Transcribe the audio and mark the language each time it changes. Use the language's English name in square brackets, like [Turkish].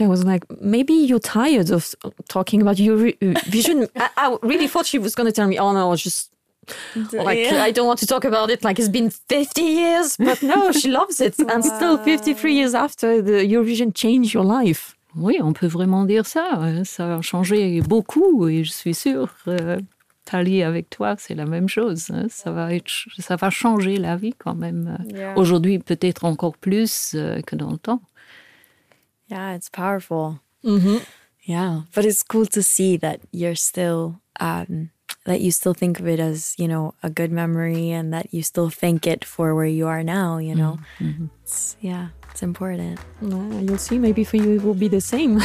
[English] I was like, maybe you're tired of talking about Eurovision. I really thought she was going to tell me, oh no, just I don't want to talk about it. Like it's been 50 years, but no, she loves it. And still, 53 years after, the Eurovision changed your life. [French] Oui, on peut vraiment dire ça. Ça a changé beaucoup et je suis sûre, Thalie, avec toi, c'est la même chose. Ça va être, ça va changer la vie quand même. Yeah. Aujourd'hui, peut-être encore plus que dans le temps. [English] Yeah, it's powerful. Mm-hmm. Yeah, but it's cool to see that you're still, that you still think of it as, you know, a good memory and that you still think it for where you are now, you know. Mm-hmm. It's important. Well, you'll see. Maybe for you, it will be the same.